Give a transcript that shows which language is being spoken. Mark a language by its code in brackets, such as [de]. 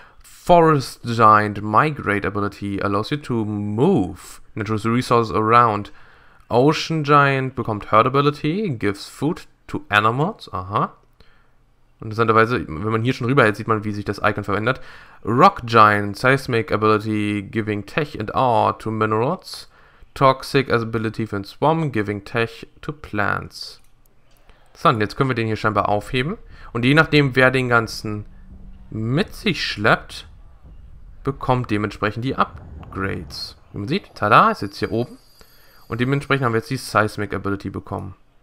[en] Forest Giant Migrate Ability allows you to move natural resources around. Ocean Giant bekommt Herd Ability, gives food to animals. Aha. [de] Interessanterweise, wenn man hier schon rüberhält, sieht man, wie sich das Icon verändert. [en] Rock Giant, Seismic Ability, giving Tech and Awe to Minerals. Toxic Ability [de] für den [en] Swarm, giving Tech to Plants. [de] So, jetzt können wir den hier scheinbar aufheben. Und je nachdem, wer den ganzen mit sich schleppt, bekommt dementsprechend die Upgrades. Wie man sieht, tada, ist jetzt hier oben. Und dementsprechend haben wir jetzt die Seismic Ability bekommen.